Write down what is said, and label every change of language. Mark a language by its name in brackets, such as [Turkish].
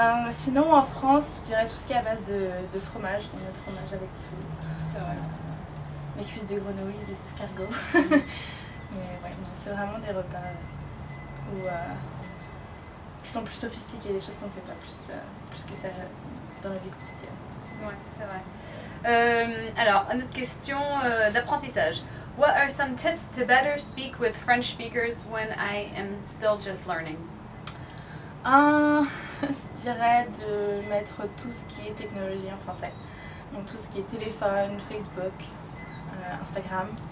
[French] Sinon, en France, je dirais tout ce qui est à base de fromage. Le fromage avec tout. Les cuisses de grenouilles, des escargots. Mais ouais, c'est vraiment des repas qui sont plus sophistiqués, des choses qu'on ne fait pas plus que ça dans la vie quotidienne. Ouais, c'est vrai. Alors, une autre question d'apprentissage. [English] What are some tips to better speak with French speakers when I am still just learning? [French] Je dirais de mettre tout ce qui est technologie en français. Donc tout ce qui est téléphone, Facebook, Instagram.